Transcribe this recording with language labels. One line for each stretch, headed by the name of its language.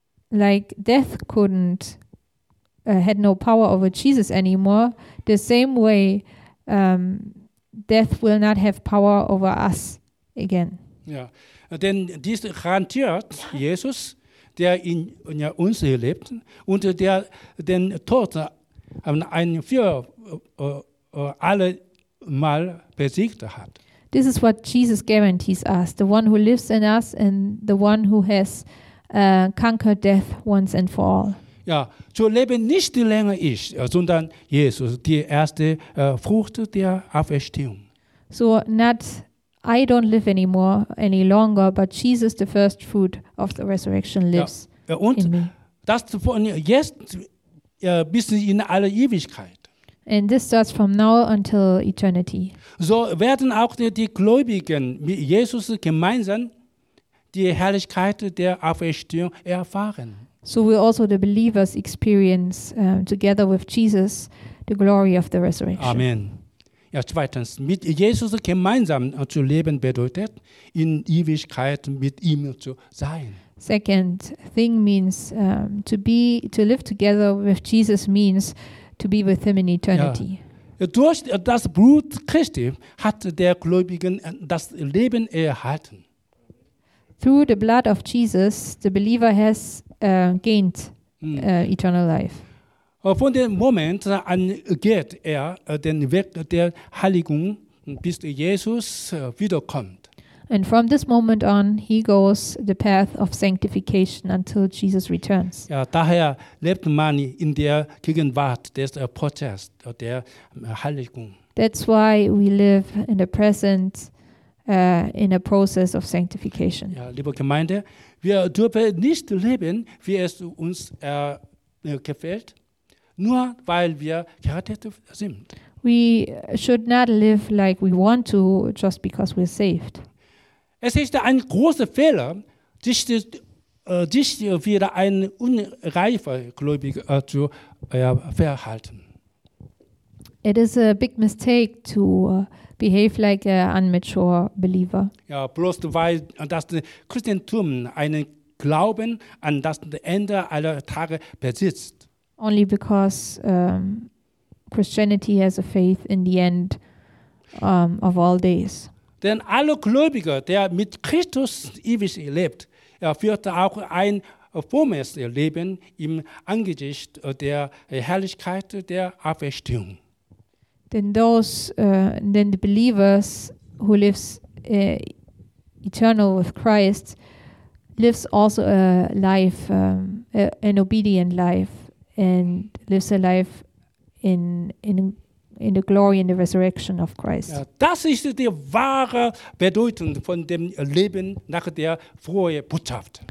English: Like death couldn't had no power over Jesus anymore, the same way death will not have power over us again.
German: Ja, denn dies garantiert Jesus, der in uns lebt und der den Tod ein für alle Mal besiegt hat.
English: This is what Jesus guarantees us, the one who lives in us and the one who has conquered death once and for all.
German: Ja, zu leben nicht länger ich, sondern Jesus, die erste Frucht der Auferstehung.
English: So not I don't live anymore any longer, but Jesus, the first fruit of the resurrection, lives.
German: Ja, und
English: in me.
German: Das von jetzt bis in alle Ewigkeit.
English: And this starts from now until eternity.
German: So werden auch die Gläubigen mit Jesus gemeinsam die Herrlichkeit der Auferstehung erfahren.
English: So will also the believers experience together with Jesus the glory of the resurrection. Amen.
German: Ja, zweitens, mit Jesus gemeinsam zu leben bedeutet, in Ewigkeit mit ihm zu sein.
English: Second thing means to live together with Jesus means to be with him in eternity.
German: Ja. Durch das Blut Christi hat der Gläubigen das Leben erhalten.
English: Through the blood of Jesus, the believer has gained eternal life.
German: Von dem Moment an geht er den Weg der Heiligung, bis Jesus wiederkommt.
English: And from this moment on, he goes the path of sanctification until Jesus returns.
German: Ja, daher lebt man in der Gegenwart des Prozesses der Heiligung.
English: That's why we live in the present in a process of sanctification.
German: Ja, liebe Gemeinde, wir dürfen nicht leben, wie es uns gefällt, nur weil wir gerettet sind.
English: We should not live like we want to, just because we're saved.
German: Es ist ein großer Fehler, sich dich wieder ein unreifer Gläubiger zu verhalten.
English: It is a big mistake to behave like an unmature believer.
German: Ja, bloß weil das Christentum einen Glauben an das Ende aller Tage besitzt.
English: Only because Christianity has a faith in the end of all days.
German: Denn alle Gläubige, der mit Christus ewig lebt, führt auch ein frommes Leben im Angesicht der Herrlichkeit der Auferstehung.
English: Then those, then the believers who lives eternal with Christ, lives also a life, an obedient life, and lives a life in the glory and the resurrection of Christ.
German: Ja, das ist die wahre Bedeutung von dem Leben nach der frohen Botschaft.